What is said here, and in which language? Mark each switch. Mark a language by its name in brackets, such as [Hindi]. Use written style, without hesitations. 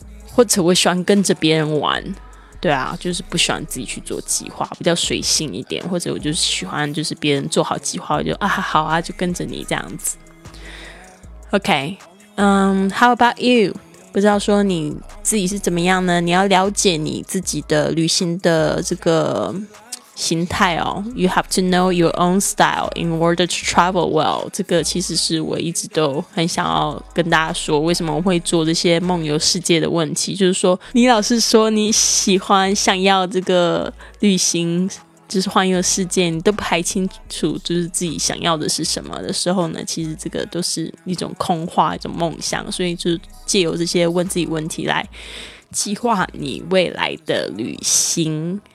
[Chinese] 或者我喜欢跟着别人玩，对啊，就是不喜欢自己去做计划，比较随性一点，或者我就是喜欢就是别人做好计划，我就好啊，就跟着你这样子。 [English] OK， How about you？ [Chinese] 不知道说你自己是怎么样呢？你要了解你自己的旅行的这个心态哦。 [English] You have to know your own style in order to travel well。 [Chinese] 这个其实是我一直都很想要跟大家说，为什么我会做这些梦游世界的问题，就是说，你老是说你喜欢想要这个旅行，就是环游世界，你都不太清楚就是自己想要的是什么的时候呢，其实这个都是一种空话，一种梦想，所以就借由这些问自己问题来计划你未来的旅行。